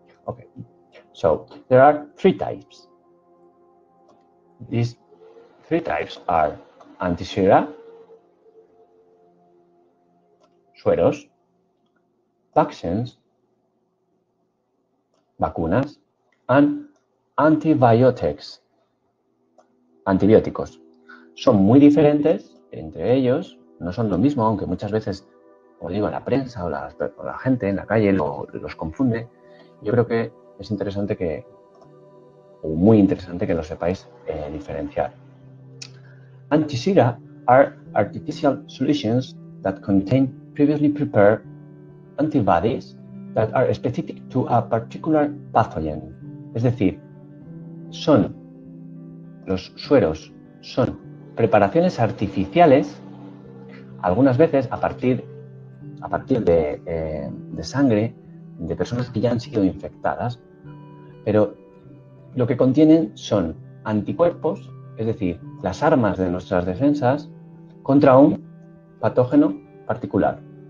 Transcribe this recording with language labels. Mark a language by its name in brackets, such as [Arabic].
[English] Ok, so, there are three types. These three types are antisera, sueros, vaccines, vacunas, and antibiotics, antibióticos. [Spanish] Son muy diferentes entre ellos, no son lo mismo, aunque muchas veces, como digo, la prensa o la gente en la calle los confunde. Yo creo que es interesante que, o muy interesante que lo sepáis diferenciar. [English] Antisera are artificial solutions that contain previously prepared antibodies that are specific to a particular pathogen. [Spanish] Es decir, son los sueros, son preparaciones artificiales, algunas veces a partir de sangre de personas que ya han sido infectadas, pero lo que contienen son anticuerpos, es decir, las armas de nuestras defensas contra un patógeno particular.